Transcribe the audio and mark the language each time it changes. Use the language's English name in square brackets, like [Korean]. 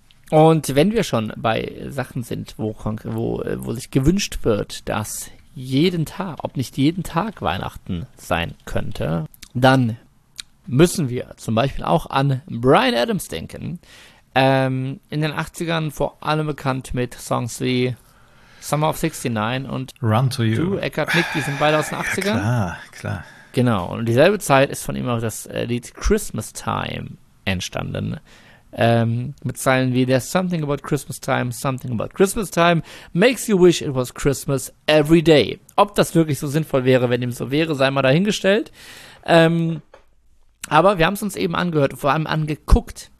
[German] Und wenn wir schon bei Sachen sind, wo sich gewünscht wird, dass jeden Tag, ob nicht jeden Tag Weihnachten sein könnte, dann müssen wir zum Beispiel auch an Bryan Adams denken. In den 80ern vor allem bekannt mit Songs wie Summer of 69 und Run to You. Eckhart Nick, die sind beide aus den 80ern. Ja, klar. Genau, und dieselbe Zeit ist von ihm auch das Lied Christmas Time entstanden. Mit Zeilen wie [English] There's something about Christmas time, something about Christmas time makes you wish it was Christmas every day. [German] Ob das wirklich so sinnvoll wäre, wenn ihm so wäre, sei mal dahingestellt. Aber wir haben es uns eben angehört und vor allem angeguckt.